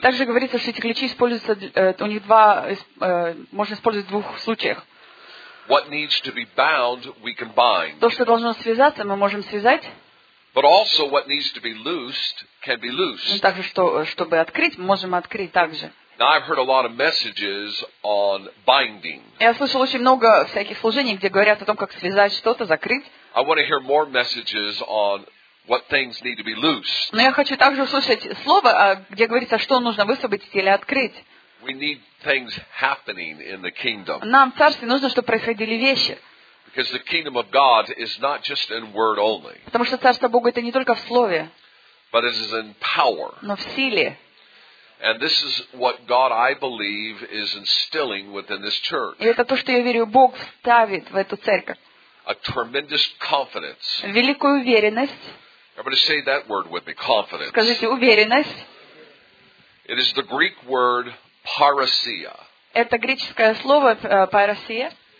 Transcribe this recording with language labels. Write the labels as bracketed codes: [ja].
[ru] Также говорится, что эти ключи используются у них два можно использовать в двух случаях. [en] What needs to be bound, we can bind. [ru] То, что должно связаться, мы можем связать. [en] But also what needs to be loosed can be loosed. [ru] Также что чтобы открыть, можем открыть также. [en] Now I've heard a lot of messages on binding. [ru] Я слышал очень много всяких служений, где говорят о том, как связать что-то, закрыть. [en] I want to hear more messages on what things need to be loosed. [ru] Но я хочу также услышать слово, где говорится, что нужно высвободить или открыть. [en] We need things happening in the kingdom. [ru] Нам в царстве нужно, чтобы происходили вещи. [en] Because the kingdom of God is not just in word only. [ru] Потому что царство Бога это не только в слове. [en] But it is in power. [ru] Но в силе. [en] And this is what God, I believe, is instilling within this church. [ru] И это то, что я верю, Бог вставит в эту церковь. [en] A tremendous confidence. [ru] Великую уверенность. [en] Everybody say that word with me, confidence. [ru] Скажите уверенность. [en] It is the Greek word parousia. [ru] Это греческое слово парусия.